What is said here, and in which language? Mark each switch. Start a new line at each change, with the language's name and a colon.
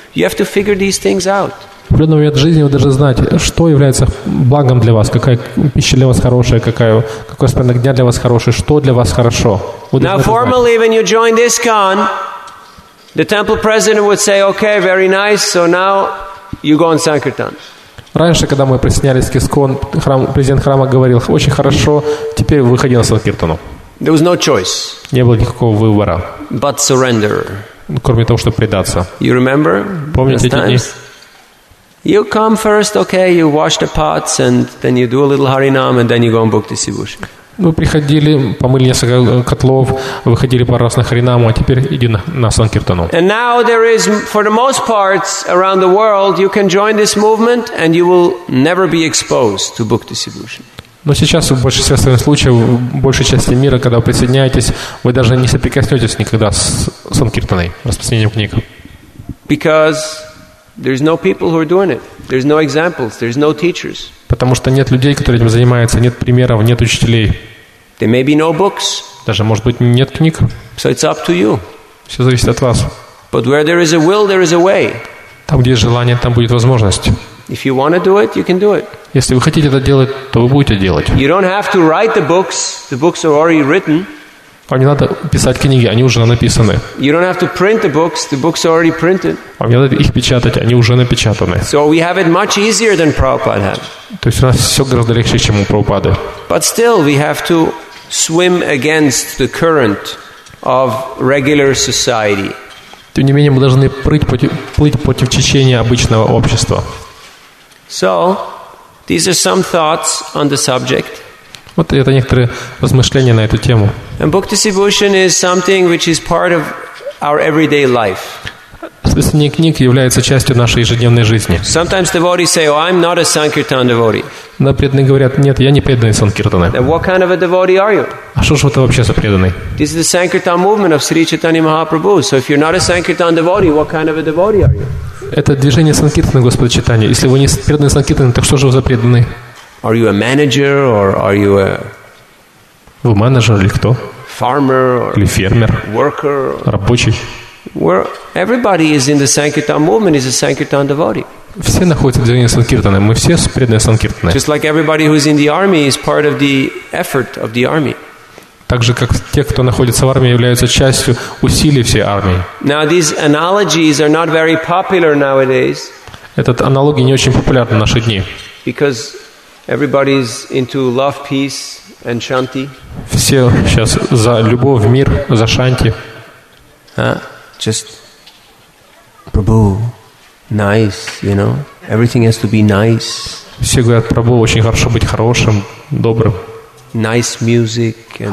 English: You have to figure these things out.
Russian: В определенный момент жизни вы должны знать, что является благом для вас, какая пища для вас хорошая, какой распорядок дня для вас хороший, что для вас хорошо.
English: Now formally, when you join this con, the temple president would say, okay, very nice, so now you go on Sankirtan.
Russian: Раньше, когда мы присоединялись к ИСККОН, президент храма говорил, очень хорошо, теперь выходи на Санкиртану.
English: There was no choice.
Russian: Не было никакого выбора.
English: But surrender.
Russian: Кроме того, чтобы предаться.
English: You remember?
Russian: Помните эти дни?
English: You come first, okay, you wash the pots, and then you do a little Харинам, and then you go on Bhakti Sivush.
Russian: Мы приходили, помыли несколько котлов, выходили пару раз на Харинаму, а теперь иди на Санкиртану.
English: And now there is, for the most parts around the world, you can join this movement and you will never be exposed to book distribution.
Russian: Но сейчас в большинстве случаев, в большей части мира, когда вы присоединяетесь, вы даже не соприкоснетесь никогда с Санкиртаной, распространением книг.
English: Because there's no people who are doing it. There's no examples. There's no teachers.
Russian: Потому что нет людей, которые этим занимаются, нет примеров, нет учителей.
English: There may be no books.
Russian: Даже, может быть, нет книг.
English: So it's up to you.
Russian: Все зависит от вас.
English: But where there is a will, there is a way.
Russian: Там, где есть желание, там будет возможность.
English: If you want to do it, you can do it.
Russian: Если вы хотите это делать, то вы будете делать.
English: You don't have to write the books. The books are already written.
Russian: Вам не надо писать книги, они уже написаны.
English: You don't have to print the books, the books are already printed.
Russian: Вам не надо их печатать, они уже напечатаны.
English: So we have it much easier than Prabhupada had.
Russian: То есть у нас все гораздо легче, чем у Прабхупады.
English: But still we have to swim against the current of regular society.
Russian: Тем не менее, мы должны плыть против течения обычного общества.
English: So, these are some thoughts on the subject.
Russian: Вот это некоторые размышления на эту тему.
English: And book distribution is something which is part of our everyday life.
Russian: Списание книг является частью нашей ежедневной жизни.
English: Sometimes devotees say, oh, I'm not a Sankirtan devotee.
Russian: Но преданные говорят, нет, я не преданный Санкиртана.
English: Then what kind of a devotee are you?
Russian: А что ж это вообще за преданный?
English: This is the Sankirtan movement of Sri Chaitanya Mahaprabhu. So if you're not a Sankirtan devotee, what kind of a devotee are you?
Russian: Это движение Санкиртана, Господа Чайтаньи. Если вы не преданный Санкиртана, так что же вы за преданный?
English: Are you a manager or are you a...
Russian: Вы менеджер или кто?
English: Farmer or...
Russian: Или фермер?
English: Worker?
Russian: Рабочий?
English: Where everybody is in the Sankirtan movement is a Sankirtan devotee.
Russian: Все находятся в движении Санкиртана. Мы все преданные Санкиртаны.
English: Just like everybody who is in the army is part of the effort of the army.
Russian: Так же, как те, кто находится в армии, являются частью усилий всей армии.
English: Now these analogies are not very popular nowadays.
Russian: Этот аналогии не очень популярны в наши дни.
English: Because everybody is into love, peace and shanti.
Russian: Все сейчас за любовь, мир, за шанти.
English: Just Prabhu, nice, you know. Everything has to be nice.
Russian: Все говорят, Прабху, очень хорошо быть хорошим, добрым.
English: Nice music.